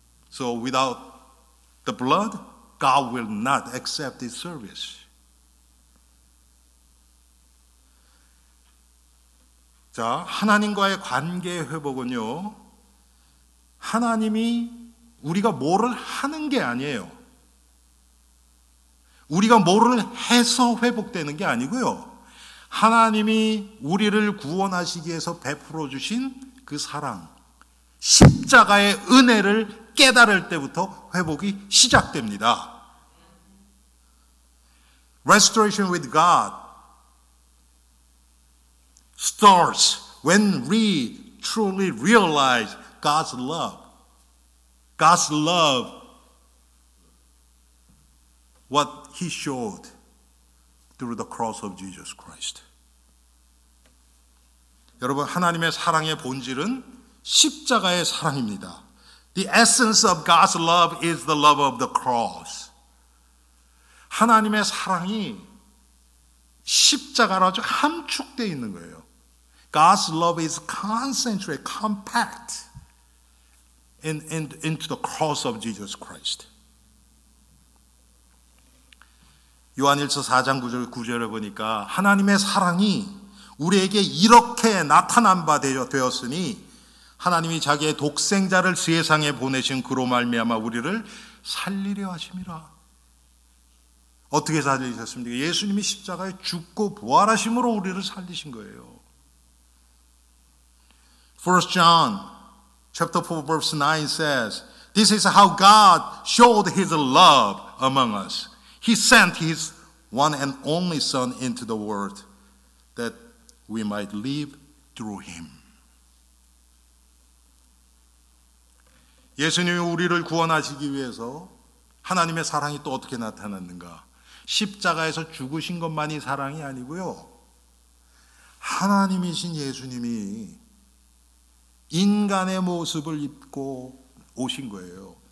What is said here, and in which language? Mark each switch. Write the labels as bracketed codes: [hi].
[en] So without the blood, God will not accept his service. [ko] 자, 하나님과의 관계 회복은요. 하나님이 우리가 뭐를 하는 게 아니에요. 우리가 뭐를 해서 회복되는 게 아니고요. 하나님이 우리를 구원하시기 위해서 베풀어 주신 그 사랑, 십자가의 은혜를 깨달을 때부터 회복이 시작됩니다. [en] Restoration with God starts when we truly realize God's love. God's love. What he showed through the cross of Jesus Christ. [ko] 여러분, 하나님의 사랑의 본질은 십자가의 사랑입니다. [en] The essence of God's love is the love of the cross. [ko] 하나님의 사랑이 십자가로 아주 함축되어 있는 거예요. [en] God's love is concentrated, compact into the cross of Jesus Christ. [ko] 요한일서 4장 9절을 보니까 하나님의 사랑이 우리에게 이렇게 나타난 바 되었으니 하나님이 자기의 독생자를 세상에 보내신 그로 말미암아 우리를 살리려 하심이라. 어떻게 살리셨습니까? 예수님이 십자가에 죽고 부활하심으로 우리를 살리신 거예요. [en] 1 John chapter 4 verse 9 says This is how God showed his love among us. He sent his one and only son into the world that we might live through him. [ko] 예수님이 우리를 구원하시기 위해서 하나님의 사랑이 또 어떻게 나타났는가? 십자가에서 죽으신 것만이 사랑이 아니고요. 하나님이신 예수님이 인간의 모습을 입고 오신 거예요.